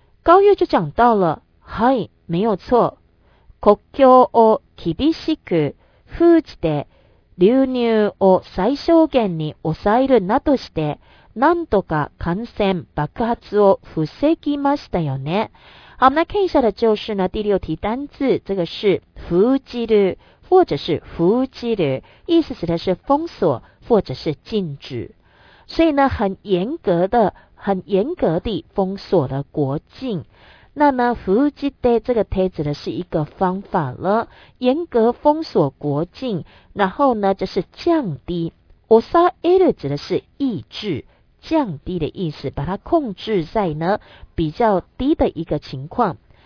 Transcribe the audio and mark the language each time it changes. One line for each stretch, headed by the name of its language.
Chinese: 高月就讲到了，
Japanese: はい、
Chinese: 没有错。
Japanese: 国境を厳しく封じて、流入を最小限に抑えるなどして、なんとか感染爆発を防ぎましたよね。
Chinese: 好，那看一下的就是呢第六题单字，这个是封じる或者是封じる，意思指的是封锁或者是禁止，所以呢很严格地封锁了国境。那呢封じて这个て指的是一个方法了，严格封锁国境，然后呢就是降低，抑えるる指的是抑制，降低的意思，把它控制在呢比较低的一个情况。